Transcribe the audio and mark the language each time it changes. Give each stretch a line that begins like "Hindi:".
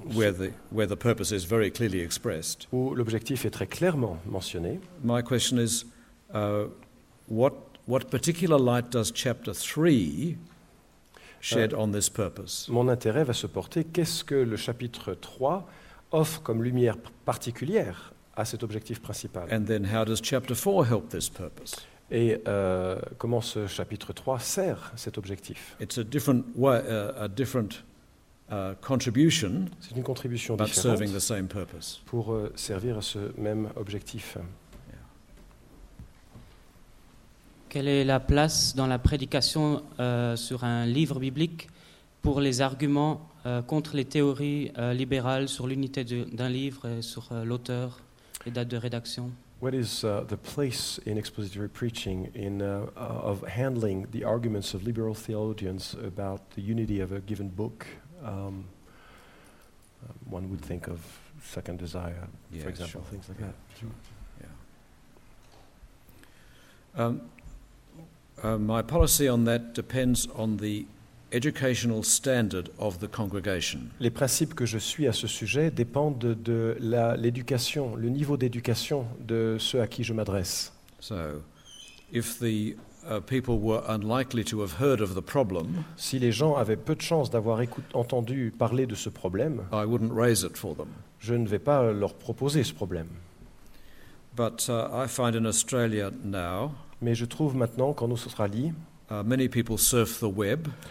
English: where the purpose is very clearly expressed,
French: où l'objectif est très clairement mentionné,
English: my question is, what particular light does chapter 3 shed on this purpose?
French: Mon intérêt va se porter, qu'est-ce que le chapitre 3 offre comme lumière particulière à cet objectif principal?
English: And then how does chapter 4 help this purpose?
French: Et comment ce chapitre 3 sert cet objectif?
English: It's a different way, a different contribution.
French: C'est une contribution
English: but
French: différente
English: serving the same purpose.
French: Pour servir à ce même objectif. Quelle est la place dans la prédication sur un livre biblique pour les arguments contre les théories libérales sur l'unité d'un livre et sur l'auteur, les dates de rédaction?
English: What is the place in expository preaching in of handling the arguments of liberal theologians about the unity of a given book? One would think of Second Desire, yeah, for example, sure. Things like yeah, that. Sure. Yeah. My policy on that depends on the educational standard of the congregation.
French: Les principes que je suis à ce sujet dépendent l'éducation, le niveau d'éducation de ceux à qui je m'adresse.
English: So, if the people were unlikely to have heard of the problem,
French: si les gens avaient peu de chances d'avoir entendu parler de ce problème,
English: I wouldn't raise it for them.
French: Je ne vais pas leur proposer ce problème.
English: But I find in Australia now,
French: mais je trouve maintenant qu'en Australie,
English: many people surf the web,